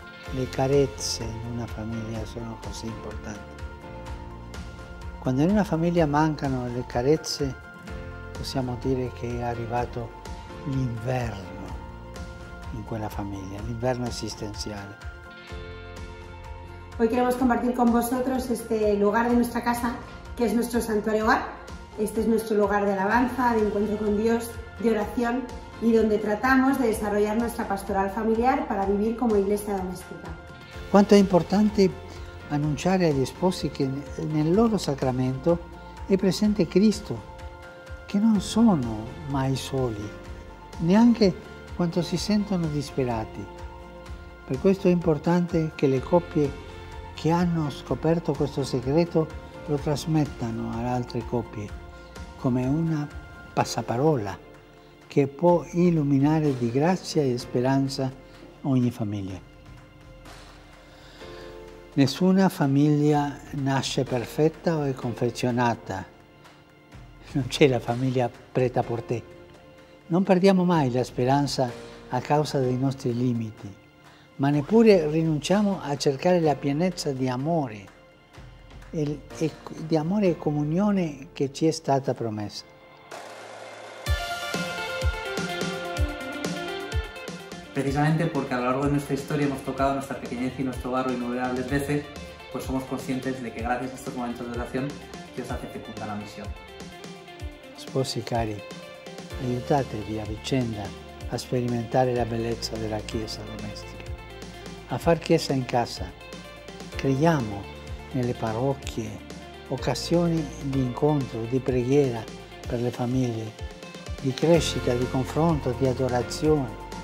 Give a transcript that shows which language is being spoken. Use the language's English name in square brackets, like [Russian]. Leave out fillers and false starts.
[Italian] Le carezze in una famiglia sono così importanti. Quando in una famiglia mancano le carezze, possiamo dire che è arrivato l'inverno in quella famiglia, l'inverno esistenziale. [Spanish] Hoy queremos compartir con vosotros este lugar de nuestra casa, que es nuestro santuario hogar. Este es nuestro lugar de alabanza, de encuentro con Dios, de oración, y donde tratamos de desarrollar nuestra pastoral familiar para vivir como iglesia doméstica. [Italian] Quanto è importante annunciare agli sposi che nel loro sacramento è presente Cristo, che non sono mai soli, neanche quando si sentono disperati. Per questo è importante che le coppie che hanno scoperto questo segreto lo trasmettano ad altre coppie come una passaparola che può illuminare di grazia e speranza ogni famiglia. Nessuna famiglia nasce perfetta o è confezionata. Non c'è la famiglia prêt-à-porter. Non perdiamo mai la speranza a causa dei nostri limiti, ma neppure rinunciamo a cercare la pienezza di amore e di amore e comunione che ci è stata promessa. [Spanish] Precisamente porque a lo largo de nuestra historia hemos tocado nuestra pequeñez y nuestro barro innumerables veces, pues somos conscientes de que gracias a estos momentos de oración Dios hace fecunda la misión. [Italian] Sposi cari, aiutatevi a vicenda a sperimentare la bellezza della Chiesa domestica, a far Chiesa in casa. Creiamo nelle parrocchie occasioni di incontro, di preghiera per le famiglie, di crescita, di confronto, di adorazione.